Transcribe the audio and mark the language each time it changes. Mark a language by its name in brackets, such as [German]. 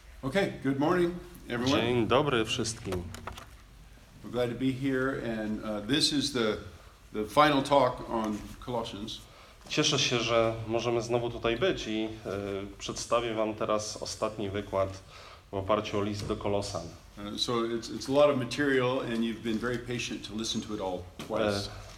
[English] Okay, good morning, everyone. [Polish] Dzień dobry wszystkim. [English] We're glad to be here, and this is the final talk on Colossians. [Polish] Cieszę się, że możemy znowu tutaj być i przedstawię wam teraz ostatni wykład w oparciu o list do Kolosan. [English] So it's a lot of material, and you've been very patient to listen to it all twice.